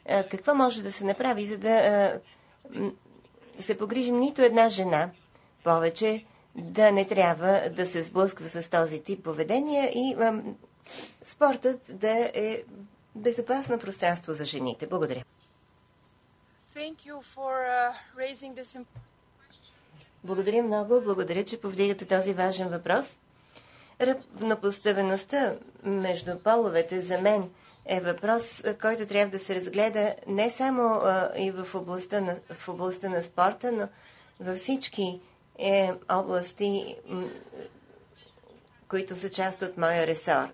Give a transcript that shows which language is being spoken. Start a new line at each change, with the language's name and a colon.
Bulgarian: Какво може да се направи, за да се погрижим нито една жена повече да не трябва да се сблъсква с този тип поведение, и спортът да е безопасно пространство за жените? Благодаря.
English: Thank you for raising this
Bulgarian: Благодаря много. Благодаря, че повдигате този важен въпрос. Равнопоставеността между половете за мен е въпрос, който трябва да се разгледа не само и в областта на спорта, но във всички области, които са част от моя ресор.